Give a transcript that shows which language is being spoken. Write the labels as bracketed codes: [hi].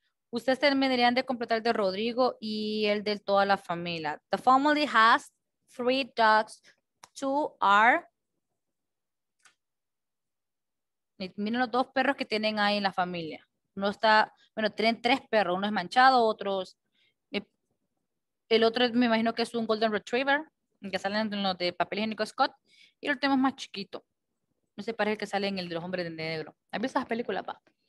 [es] Ustedes terminarían de completar el de Rodrigo y el de toda la familia. [en] The family has three dogs. Two are... [es] Miren los dos perros que tienen ahí en la familia. Uno está... Bueno, tienen tres perros. Uno es manchado, otro es... El otro me imagino que es un Golden Retriever, que sale en los de papel higiénico Scott. Y el último es más chiquito. No se parece el que sale en el de los hombres de negro. ¿Has visto esas películas, pa?